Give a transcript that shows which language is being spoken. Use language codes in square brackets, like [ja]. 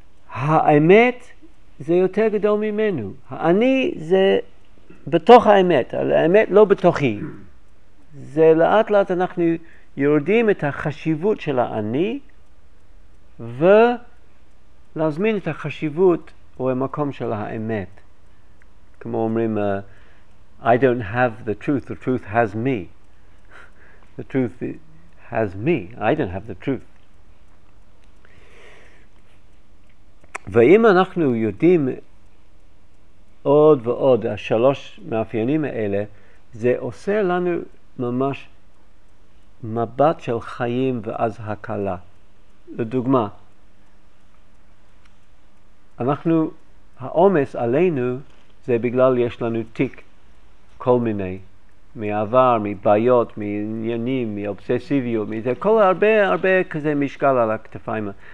[he] האמת זה יותר גדול ממנו. אני זה בתוך האמת, האמת לא בתוכי. זה לאט לאט אנחנו יורדים את החשיבות של האני ולהזמין את החשיבות או המקום של האמת. כמו אומרים, [en] I don't have the truth, the truth has me. The truth has me, I don't have the truth. [he] ואם אנחנו יודעים עוד ועוד, השלוש מאפיינים האלה, זה עושה לנו ממש מבט של חיים ואז הקלה. לדוגמה, אנחנו, העומס עלינו, זה בגלל יש לנו תיק כל מיני, מעבר, מבעיות, מעניינים, מאובססיביות, מזה, כל הרבה, הרבה כזה משקל על הכתפיים.